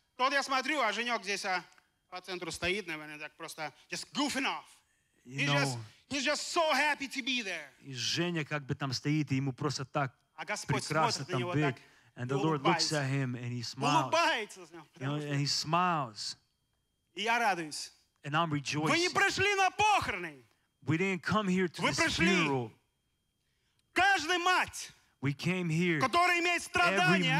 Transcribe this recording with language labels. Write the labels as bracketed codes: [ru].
[ru] Тот я смотрю, а женек здесь, а... По центру стоит, наверное, так просто [en] just goofing off. He's just so happy to be there. [ru] И Женя как бы там стоит, и ему просто так прекрасно там быть. [en] And the Lord looks at him and he smiles. And he smiles. [ru] И я радуюсь. [en] And I'm rejoicing. [ru] Вы не пришли на похороны. [en] We didn't come here to this funeral. [ru] Каждая мать. [en] We came here. [ru] Которая имеет страдания.